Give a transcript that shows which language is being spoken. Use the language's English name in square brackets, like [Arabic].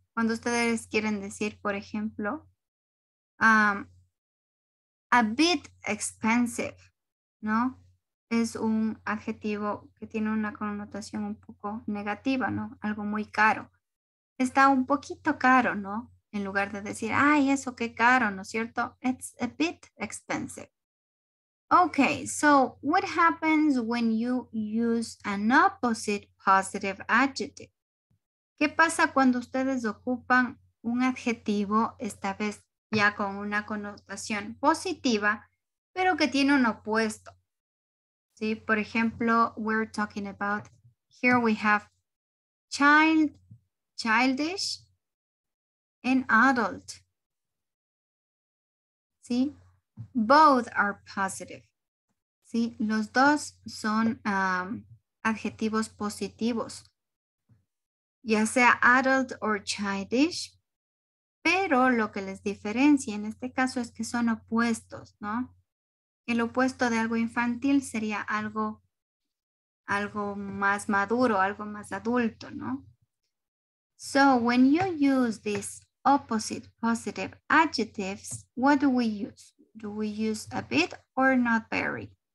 [Spanish] Cuando ustedes quieren decir, por ejemplo, [English] a bit expensive, [Spanish] ¿no? Es un adjetivo que tiene una connotación un poco negativa, ¿no? Algo muy caro. Está un poquito caro, ¿no? En lugar de decir, ay, eso qué caro, ¿no es cierto? [English] It's a bit expensive. Okay, so what happens when you use an opposite positive adjective? [Spanish] ¿Qué pasa cuando ustedes ocupan un adjetivo, esta vez ya con una connotación positiva, pero que tiene un opuesto. ¿Sí? Por ejemplo, [English] we're talking about, here we have childish and adult. ¿Sí? Both are positive. ¿Sí? [Spanish] Los dos son adjetivos positivos. Ya sea [English] adult or childish, [Spanish] pero lo que les diferencia en este caso es que son opuestos, ¿no? El opuesto de algo infantil sería algo más maduro, algo más adulto, ¿no? [English] So, when you use these opposite positive adjectives, what do we use? Do we use a bit or not very?